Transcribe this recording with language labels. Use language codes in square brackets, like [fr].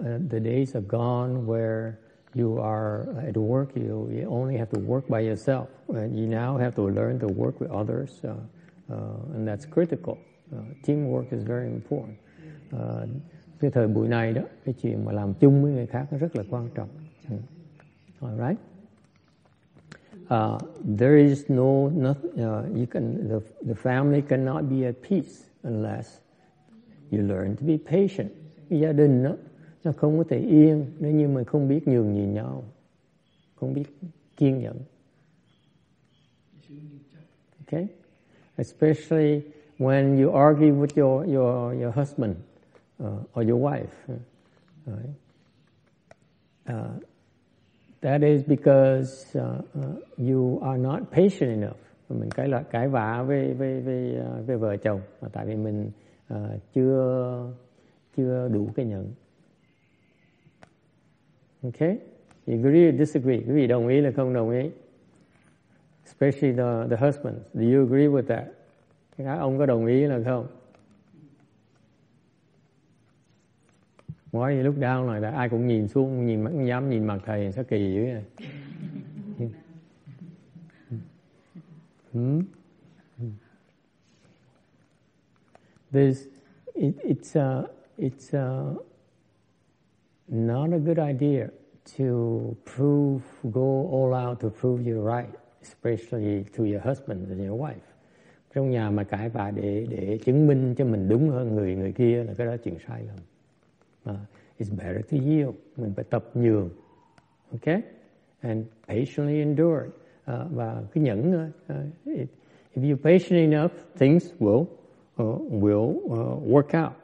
[en] The days are gone where you are at work, you only have to work by yourself. You now have to learn to work with others, and that's critical. Teamwork is very important. [vi] Cái thời buổi này đó, cái chuyện mà làm chung với người khác rất là quan trọng. [en] All right. There is no nothing. The family cannot be at peace unless you learn to be patient. [vi] Gia đình đó, nó không có thể yên nếu như mình không biết nhường nhịn nhau, không biết kiên nhẫn. [en] Okay. Especially when you argue with your husband or your wife. That is because you are not patient enough. [vi] Mình cãi vã với vợ chồng mà tại vì mình chưa đủ cái nhẫn. [en] Okay? You agree or disagree? [vi] Quý vị đồng ý là không đồng ý? [en] Especially the husband. Do you agree with that? [vi] Các ông có đồng ý là không? [en] Why you look down like that? [vi] Ai cũng nhìn xuống, nhìn mặt, dám nhìn mặt thầy sao kỳ dữ vậy? [en] It's not a good idea to go all out to prove you're right, especially to your husband and your wife. [vi] Trong nhà mà cãi vã để chứng minh cho mình đúng hơn người kia là cái đó chuyện sai lầm. [en] It's better to yield. [vi] Mình phải tập nhường. [en] Okay? And patiently endure. [vi] Và cứ nhẫn. [en] If you're patient enough, things will work out.